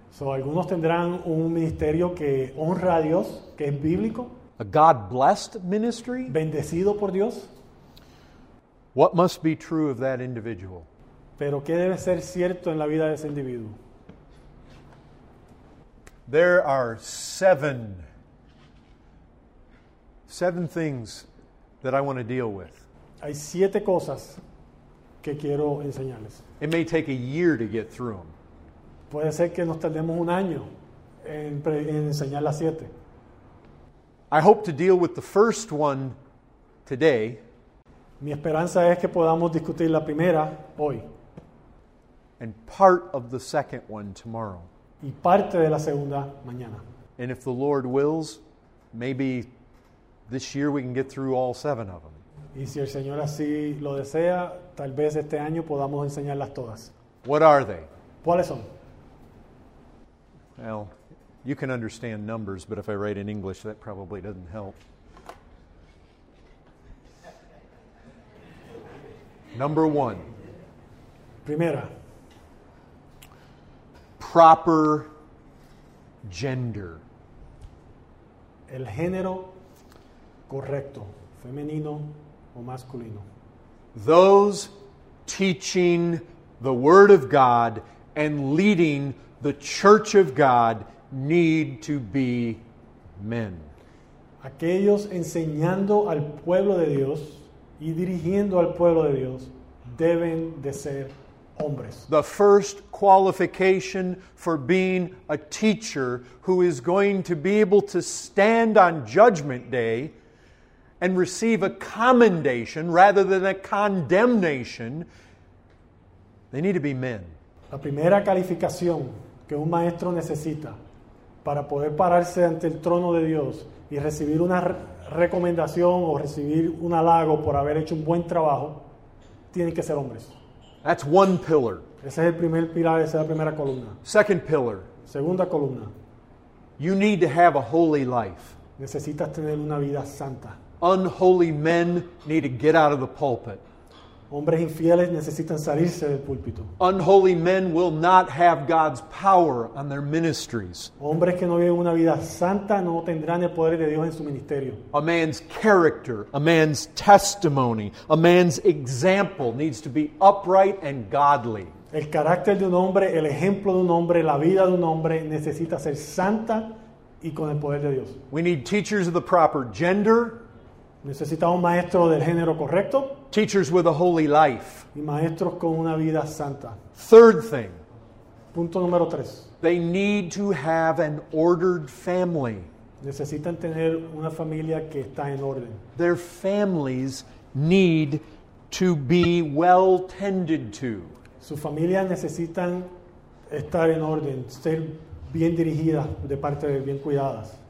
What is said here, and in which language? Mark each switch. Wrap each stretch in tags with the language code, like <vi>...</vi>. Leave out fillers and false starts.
<es>So algunos tendrán un ministerio que honra a Dios, que es bíblico.</es> <en>A God-blessed ministry.</en> <es>Bendecido por Dios.</es> <en>What must be true of that individual?</en> <es>Pero ¿qué debe ser cierto en la vida de ese individuo?</es> <en>There are seven things that I want to deal with.</en> <es>Hay siete cosas que quiero enseñarles.</es> <en>It may take a year to get through them.</en> <es>Puede ser que nos tardemos un año en enseñar las siete.</es> <en>I hope to deal with the first one today.</en> <es>Mi esperanza es que podamos discutir la primera hoy.</es> <en>And part of the second one tomorrow.</en> <es>Y parte de la segunda mañana.</es> <en>And if the Lord wills, maybe this year we can get through all seven of them.</en> <es>Y si el Señor así lo desea, tal vez este año podamos enseñarlas todas.</es> <en>What are they?</en> <es>¿Cuáles son?</es> <en>Well, you can understand numbers, but if I write in English, that probably doesn't help. Number one.</en> <es>Primera.</es> <en>Proper gender.</en> <es>El género correcto, femenino o masculino.</es> <en>Those teaching the Word of God and leading the Church of God need to be men.</en> <es>Aquellos enseñando al pueblo de Dios y dirigiendo al pueblo de Dios deben de ser hombres.</es> <en>The first qualification for being a teacher who is going to be able to stand on Judgment Day and receive a commendation rather than a condemnation, they need to be men.</en> <es>La primera calificación que un maestro necesita para poder pararse ante el trono de Dios y recibir una recomendación o recibir un halago por haber hecho un buen trabajo, tienen que ser hombres.</es> <en>That's one pillar.</en> <es>Ese es el primer pilar, esa es la primera columna.</es> <en>Second pillar.</en> <es>Segunda columna.</es> <en>You need to have a holy life.</en> <es>Necesitas tener una vida santa.</es> <en>Unholy men need to get out of the pulpit.</en> <es>Hombres infieles necesitan salirse del púlpito.</es> <en>Unholy men will not have God's power on their ministries.</en> <es>Hombres que no viven una vida santa no tendrán el poder de Dios en su ministerio.</es> <en>A man's character, a man's testimony, a man's example needs to be upright and godly.</en> <es>El carácter de un hombre, el ejemplo de un hombre, la vida de un hombre necesita ser santa y con el poder de Dios.</es> <en>We need teachers of the proper gender.</en> <es>Necesitamos maestros del género correcto.</es> <en>Teachers with a holy life.</en> <es>Y maestros con una vida santa.</es> <en>Third thing.</en> <es>Punto número tres.</es> <en>They need to have an ordered family.</en> <es>Necesitan tener una familia que está en orden.</es> <en>Their families need to be well tended to.</en> <es>Sus familias necesitan estar en orden, ser bien dirigidas de parte de bien cuidadas.</es>